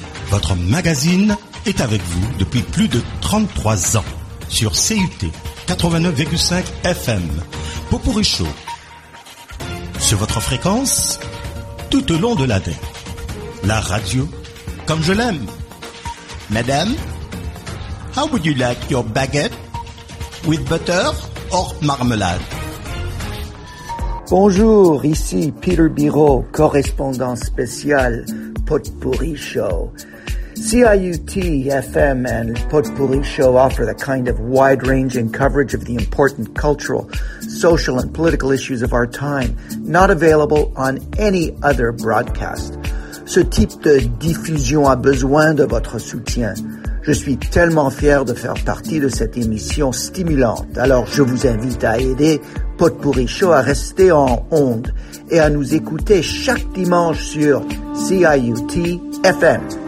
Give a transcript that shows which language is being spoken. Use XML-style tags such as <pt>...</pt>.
<fr>Votre magazine est avec vous depuis plus de 33 ans. Sur CUT 89,5 FM, Popourri Show, sur votre fréquence, tout au long de l'année, la radio, comme je l'aime.</fr> <en>Madame, how would you like your baguette, with butter or marmalade?</en> <fr>Bonjour, ici Peter Biro, correspondant spécial, Popourri Show.</fr> <en>CIUT-FM and Potpourri Show offer the kind of wide-ranging coverage of the important cultural, social, and political issues of our time, not available on any other broadcast.</en> <fr>Ce type de diffusion a besoin de votre soutien. Je suis tellement fier de faire partie de cette émission stimulante. Alors, je vous invite à aider Potpourri Show à rester en onde et à nous écouter chaque dimanche sur CIUT-FM.</fr>